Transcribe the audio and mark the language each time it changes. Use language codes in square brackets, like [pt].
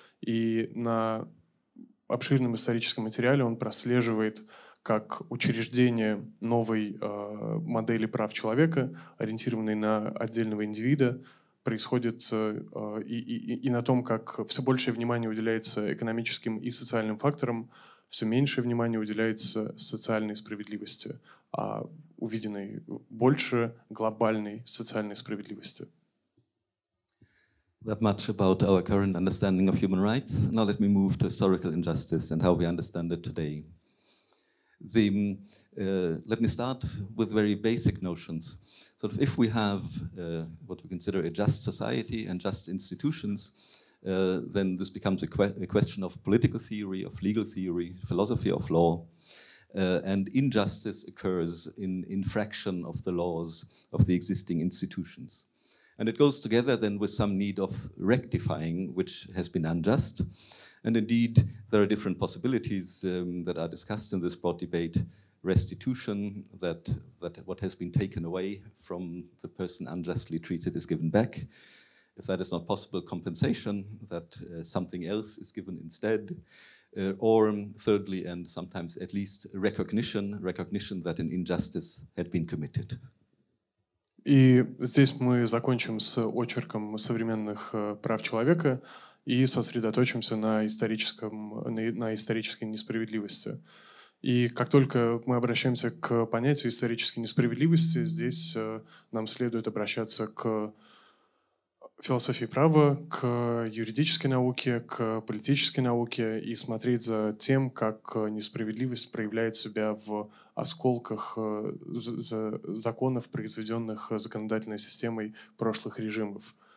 [ru] И на обширном историческом материале он прослеживает, как учреждение новой модели прав человека, ориентированной на отдельного индивида, происходит и на том, как все большее внимание уделяется экономическим и социальным факторам, все меньшее внимание уделяется социальной справедливости, а увиденной больше глобальной социальной справедливости. [en] That much about our current understanding of human rights. Now let me move to historical injustice and how we understand it today. Let me start with very basic notions. So if we have what we consider a just society and just institutions, then this becomes a question of political theory, of legal theory, philosophy of law, and injustice occurs in infraction of the laws of the existing institutions. And it goes together then with some need of rectifying which has been unjust. And indeed, there are different possibilities that are discussed in this broad debate. Restitution, that what has been taken away from the person unjustly treated is given back. If that is not possible, compensation, that something else is given instead. Or thirdly, and sometimes at least, recognition that an injustice had been committed. [ru] И здесь мы закончим с очерком современных прав человека и сосредоточимся на исторической несправедливости. И как только мы обращаемся к понятию исторической несправедливости, здесь нам следует обращаться к философии права, к юридической науке, к политической науке и смотреть за тем, как несправедливость проявляет себя в осколках законов, произведенных законодательной системой прошлых режимов.